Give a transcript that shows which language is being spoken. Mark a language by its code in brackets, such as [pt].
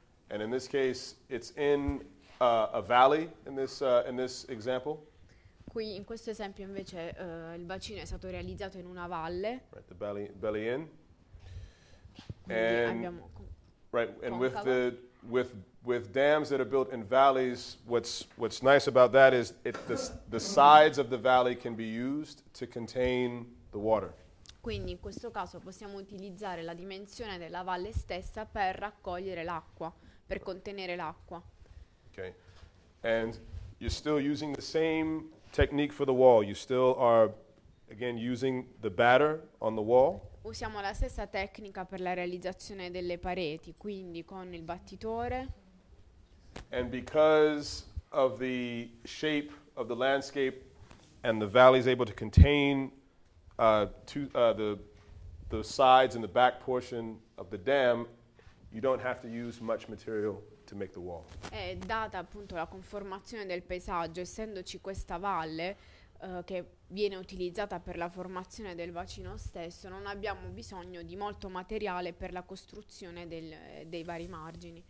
[en] And in this case, it's in a valley in this example. [it] Qui in questo esempio invece il bacino è stato realizzato in una valle. [en] Right, the belly in. [it] Quindi [en] With dams that are built in valleys, what's nice about that is the sides of the valley can be used to contain the water. [it] Quindi in questo caso possiamo utilizzare la dimensione della valle stessa per raccogliere l'acqua, per contenere l'acqua. [en] Okay, and you're still using the same technique for the wall. You still are, again, using the batter on the wall. [it] Usiamo la stessa tecnica per la realizzazione delle pareti, quindi con il battitore. [en] And because of the shape of the landscape and the valley is able to contain the sides and the back portion of the dam, you don't have to use much material to make the wall. [it] E data appunto la conformazione del paesaggio, essendoci questa valle che viene utilizzata per la formazione del bacino stesso, non abbiamo bisogno di molto materiale per la costruzione dei vari margini.